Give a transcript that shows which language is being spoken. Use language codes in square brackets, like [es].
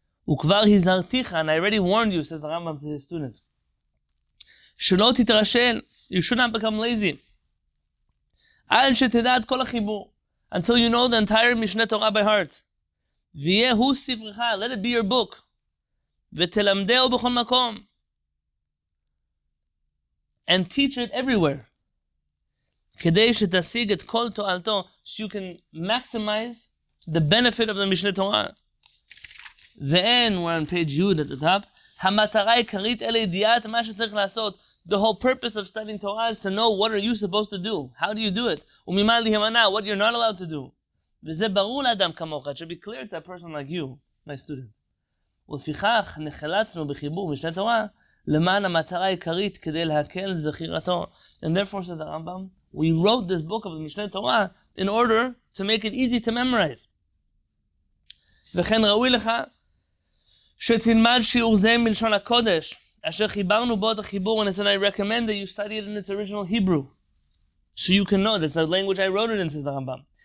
[he] וכבר הזרתיך, [en] and I already warned you, says the Rambam to his student, [he] שלא תתרשל, [en] you should not become lazy, [he] עד שתדע את כל החיבור, [en] until you know the entire משנה תורה by heart, [he] ויהו ספרך, [en] let it be your book, [he] ותלמדהו בכל מקום, [en] and teach it everywhere, [he] כדי שתשיג את כל תועלתו, [en] so you can maximize the benefit of the משנה תורה. Then we're on page Yud at the top. [he] המטרה העיקרית אלה ידיעת מה שצריך לעשות. [en] The whole purpose of studying Torah is to know what are you supposed to do. How do you do it? [he] וממה להימנע, [en] what you're not allowed to do. [he] וזה ברור לאדם כמוך, [en] it should be clear to a person like you, my student. [he] ולפיכך נחלצנו בחיבור משנה תורה, למען המטרה העיקרית כדי להקל זכירתו. [en] And therefore says the Rambam, we wrote this book of the Mishneh Torah in order to make it easy to memorize. [he] וכן ראוי לך שתלמד שיעור זה מלשון הקודש, אשר חיברנו בו את החיבור, [en] and I said, I recommend that you study it in its original Hebrew, so you can know, that's the language I wrote it in, says the Rambam.